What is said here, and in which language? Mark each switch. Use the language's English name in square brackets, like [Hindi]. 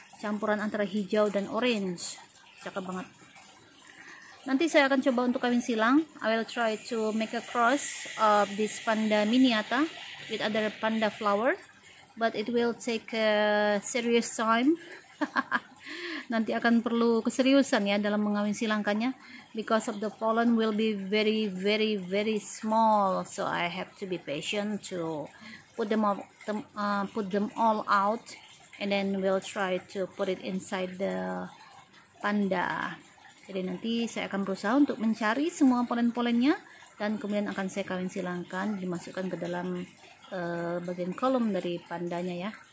[Indonesian] Campuran antara hijau dan orange. Cakep banget. Nanti saya akan coba untuk kawin silang. [English] I will try to make a cross of this panda miniata with other panda flower, but it will take a serious time. [Indonesian] Nanti akan perlu keseriusan ya dalam mengawin silangkannya, [English] because of the pollen will be very very very small, so I have to be patient to put them all out, and then we'll try to put it inside the panda. [Indonesian] Jadi nanti saya akan berusaha untuk mencari semua polen-polennya dan kemudian akan saya kawin silangkan, dimasukkan ke dalam bagian kolom dari pandanya ya.